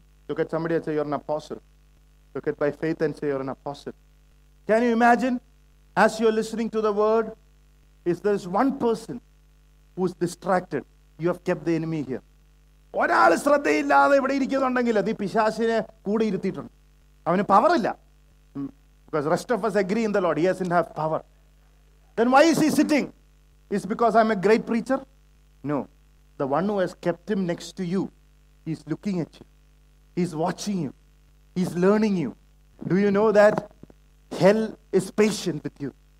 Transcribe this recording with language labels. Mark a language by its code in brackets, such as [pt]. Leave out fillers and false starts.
[en] Look at somebody and say you're an apostle. Look at by faith and say you're an apostle. Can you imagine, as you're listening to the word, if there's one person who's distracted, you have kept the enemy here. [ml] ഒരാൾ ശ്രദ്ധയില്ലാതെ ഇവിടെ ഇരിക്കുന്നുണ്ടെങ്കിൽ അത് ഈ പിശാസിനെ കൂടെ ഇരുത്തിയിട്ടുണ്ട്. അവന് പവറില്ല. [en] Because rest of us agree in the Lord, he doesn't have power. Then why is he sitting? Is because I'm a great preacher? No. The one who has kept him next to you, he's looking at you. He's watching you. He's learning you. Do you know that hell is patient with you?